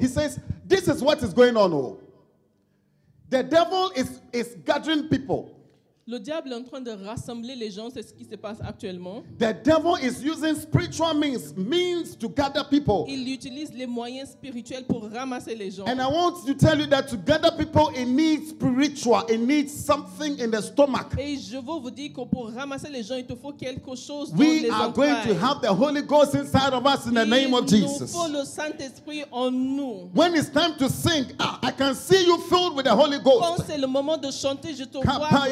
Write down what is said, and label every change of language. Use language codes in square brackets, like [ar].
[en] He says, this is what is going on. Oh. The devil is gathering people. [fr] Le diable est en train de rassembler les gens, c'est ce qui se passe actuellement. [en] The devil is using spiritual means to gather people. [fr] Il utilise les moyens spirituels pour ramasser les gens. [en] And I want to tell you that to gather people, it needs spiritual, it needs something in the stomach. [fr] Et je veux vous dire que pour ramasser les gens, il te faut quelque chose dans [en] We [fr] les entrailles. [en] We are going to have the Holy Ghost inside of us in [fr] il [en] the name of Jesus. [fr] Il nous faut le Saint-Esprit en nous. [en] When it's time to sing, I can see you filled with the Holy Ghost. [fr] Quand c'est le moment de chanter, je te vois.